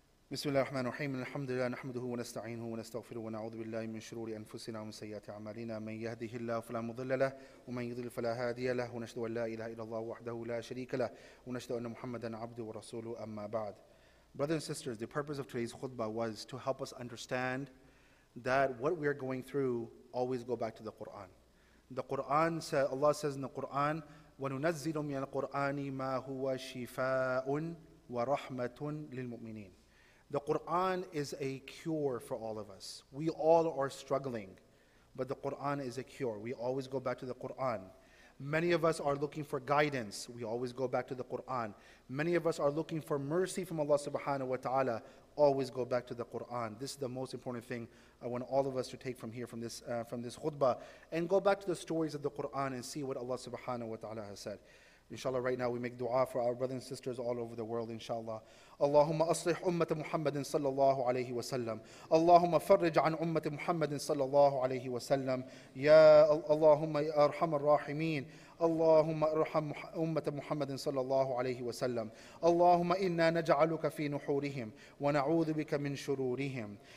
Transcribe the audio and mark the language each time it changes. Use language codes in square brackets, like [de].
[ar] بسم الله الرحمن الرحيم الحمد لله نحمده ونستعينه ونستغفره ونعوذ بالله من شرور أنفسنا ومن سيئات أعمالنا من يهده الله فلا مضل له ومن يضلل فلا هادي له ونشهد أن لا إله إلا الله وحده لا شريك له ونشهد أن محمدا عبده ورسوله أما بعد. [en] Brothers and sisters, the purpose of today's khutbah was to help us understand that what we are going through, always go back to the Quran. The Quran says, Allah says in the Quran, [ar] وَنُنَزِّلُ مِنَ الْقُرْآنِ مَا هُوَ شِفَاءٌ وَرَحْمَةٌ لِلْمُؤْمِنِينَ. [en] The Quran is a cure for all of us. We all are struggling, but the Quran is a cure. We always go back to the Quran. Many of us are looking for guidance. We always go back to the Quran. Many of us are looking for mercy from Allah subhanahu wa ta'ala. Always go back to the Quran. This is the most important thing I want all of us to take from here, from this khutbah, and go back to the stories of the Quran and see what Allah subhanahu wa ta'ala has said. Inshallah, right now we make dua for our brothers and sisters all over the world, inshallah. [ar] اللهم أصلح أمة محمد صلى الله عليه وسلم اللهم فرج عن أمة محمد صلى الله عليه وسلم يا اللهم أرحم الراحمين اللهم ارحم أمة محمد صلى الله عليه وسلم اللهم إنا نجعلك في نحورهم ونعوذ بك من شرورهم